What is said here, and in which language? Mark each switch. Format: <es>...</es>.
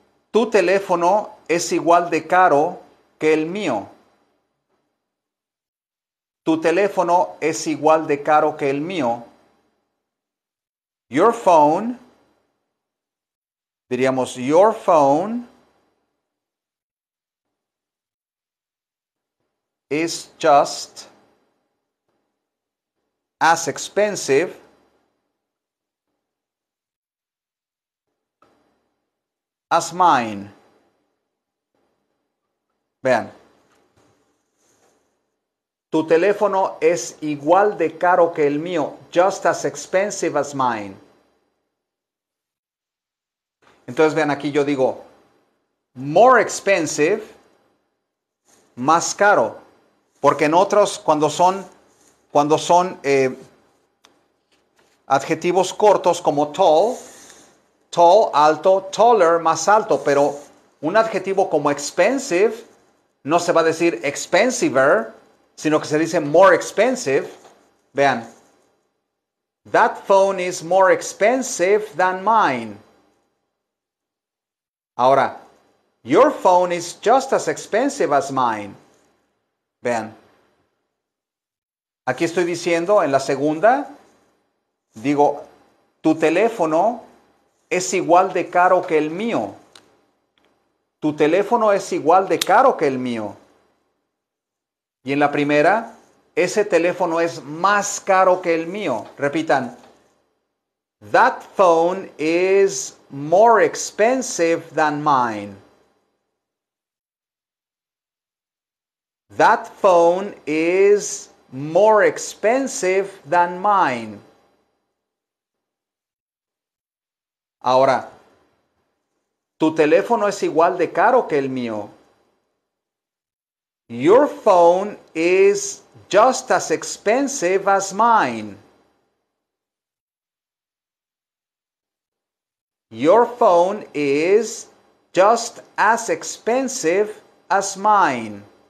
<es>Tu teléfono es igual de caro que el mío. Tu teléfono es igual de caro que el mío.</es> <en>Your phone, diríamos, your phone is just as expensive as mine.</en> <es>Vean. Tu teléfono es igual de caro que el mío.</es> <en>Just as expensive as mine.</en> <es>Entonces, vean, aquí yo digo</es> <en>more expensive,</en> <es>más caro. Porque en otros, cuando son adjetivos cortos como tall, tall, alto, taller, más alto. Pero un adjetivo como expensive No se va a decir expensiver, sino que se dice</es> <en>more expensive.</en> <es>Vean.</es> <en>That phone is more expensive than mine. Ahora, your phone is just as expensive as mine.</en> <es>Vean. Aquí estoy diciendo, en la segunda, digo, tu teléfono es igual de caro que el mío. Tu teléfono es igual de caro que el mío. Y en la primera, ese teléfono es más caro que el mío.</es> <en>Repitan. That phone is more expensive than mine. That phone is more expensive than mine.</en> <es>Ahora, tu teléfono es igual de caro que el mío.</es> <en>Your phone is just as expensive as mine. Your phone is just as expensive as mine.</en>